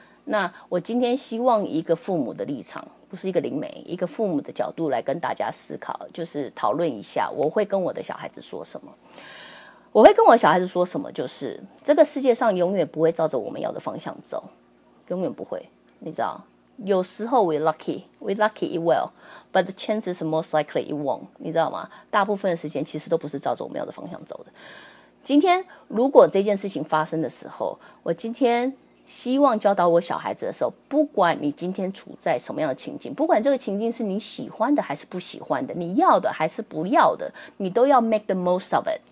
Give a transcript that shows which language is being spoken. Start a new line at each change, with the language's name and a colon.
Chinese: 那我今天希望一个父母的立场，不是一个灵媒，一个父母的角度来跟大家思考，就是讨论一下我会跟我的小孩子说什么。我会跟我小孩子说什么，就是这个世界上永远不会照着我们要的方向走，永远不会，你知道。有时候
English: we lucky it will， but the chances most likely it won't，
Chinese: 你知道吗？大部分的时间其实都不是照着我们要的方向走的。今天如果这件事情发生的时候，我今天希望教导我小孩子的时候，不管你今天处在什么样的情境，不管这个情境是你喜欢的还是不喜欢的，你要的还是不要的，你都要
English: make the most of it。